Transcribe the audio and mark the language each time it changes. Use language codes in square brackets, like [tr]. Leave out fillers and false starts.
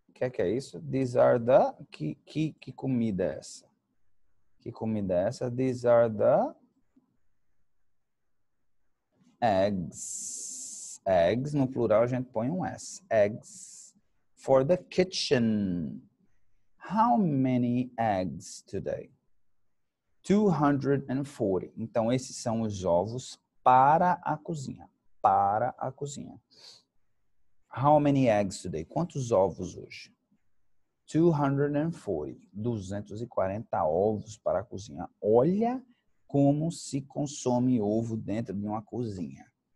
[pt] que é isso? [en] These are the... [pt] Que comida é essa? Que comida é essa? [en] These are the... Eggs. [pt] Eggs, no plural a gente põe um S. [en] Eggs for the kitchen. How many eggs today? 240. [pt] Então, esses são os ovos para a cozinha. Para a cozinha. [en] How many eggs today? [pt] Quantos ovos hoje? 240. 240 ovos para a cozinha. Olha como se consome ovo dentro de uma cozinha.